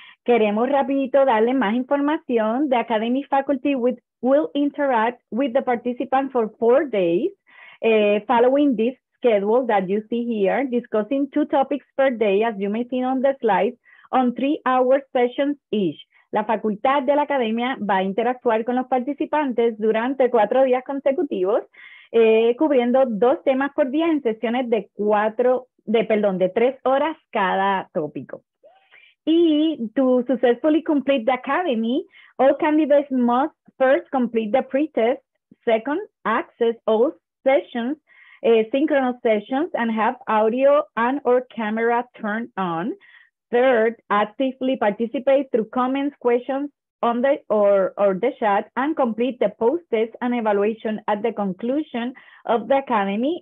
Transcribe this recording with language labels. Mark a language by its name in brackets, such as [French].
[Spanish] Queremos rapidito darle más información. [English] The Academy faculty will interact with the participants for 4 days following this schedule that you see here, discussing 2 topics per day, as you may see on the slides, on 3-hour sessions each. [Spanish] La facultad de la academia va a interactuar con los participantes durante 4 días consecutivos, cubriendo 2 temas por día en sesiones de 3 horas cada tópico. [English] Y to successfully complete the academy, all candidates must first complete the pretest, second, access all sessions, synchronous sessions, and have audio and or camera turned on. Third, actively participate through comments, questions on the or the chat, and complete the post-test and evaluation at the conclusion of the academy.